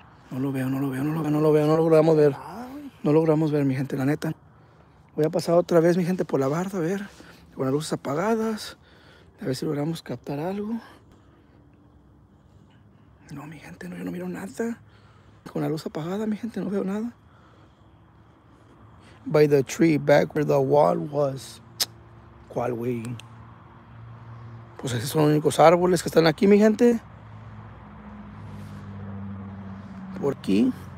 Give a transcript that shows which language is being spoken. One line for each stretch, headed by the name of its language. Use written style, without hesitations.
Spanish: No lo veo, no lo veo, no lo veo, no lo veo, no logramos ver. No logramos ver, mi gente, la neta. Voy a pasar otra vez, mi gente, por la barda, a ver. Con las luces apagadas. A ver si logramos captar algo. No, mi gente, no, yo no miro nada. Con la luz apagada, mi gente, no veo nada.
English: By the tree, back where the wall was.
Spanish: ¿Cuál, güey? Pues esos son los únicos árboles que están aquí, mi gente. Por aquí.